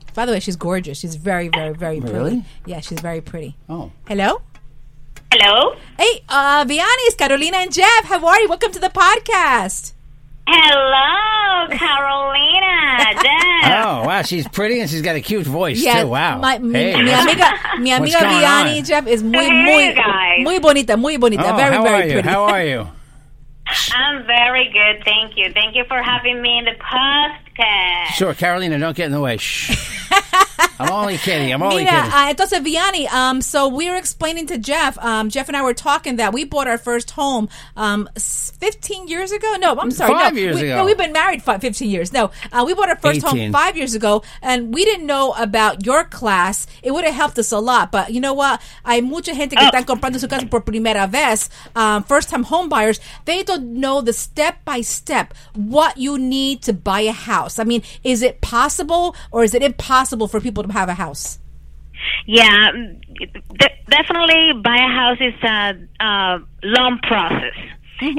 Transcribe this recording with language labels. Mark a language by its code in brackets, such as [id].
[en] By the way, she's gorgeous. She's very, very, very pretty. Really? Yeah, she's very pretty. Oh. Hello? Hello? Hey, Vianney, it's Carolina and Jeff. How are you? Welcome to the podcast. Hello, Carolina. Jeff. Oh, wow. She's pretty and she's got a cute voice, too. Wow. [es] Mi amiga Vianney, Jeff, is muy, muy, muy bonita, muy bonita. Oh, [en] very, very pretty. How are you? I'm very good. Thank you. Thank you for having me in the podcast. Sure. Carolina, don't get in the way. Shh. I'm only kidding. Entonces, Vianney, so we were explaining to Jeff. Jeff and I were talking that we bought our first home 15 years ago. No, I'm sorry. Five years ago. No, we've been married 15 years. No, we bought our first 18. Home 5 years ago, and we didn't know about your class. It would have helped us a lot. But you know what? [es] Hay mucha gente que están comprando su casa por primera vez, [en] first-time home buyers. They don't know the step-by-step what you need to buy a house. I mean, is it possible or is it impossible for people to have a house? Yeah, definitely buy a house is a long process. Mm-hmm.